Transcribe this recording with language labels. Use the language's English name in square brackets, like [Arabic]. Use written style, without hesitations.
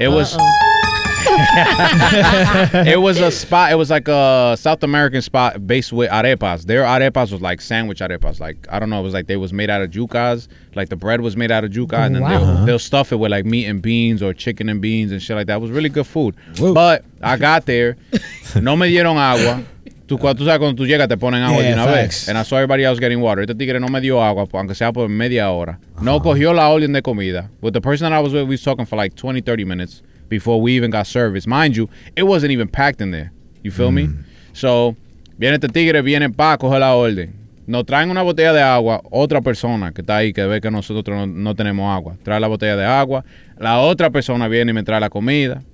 [English] It was... it was a spot. It was like a South American spot based with arepas. Their arepas was like sandwich arepas. Like, I don't know. It was like they was made out of yucas. Like, the bread was made out of yuca. And then wow. they'll stuff it with like meat and beans or chicken and beans and shit like that. It was really good food. Woo. But I got there. [Spanish] No me dieron agua. Tú sabes cuando tú llegas te ponen agua de una vez. [English] And I saw everybody else getting water. [Spanish] Este tigre no me dio agua, aunque sea por media hora. No cogió la orden de comida. [English] But the person that I was with, we was talking for like 20, 30 minutes. Before we even got service. Mind you, it wasn't even packed in there. You feel me? So, [Spanish] viene este tigre, viene pa, coge la orden. Nos traen una botella de agua, otra persona que está ahí, que ve que nosotros no tenemos agua. Trae la botella de agua. La otra persona viene y me trae la comida.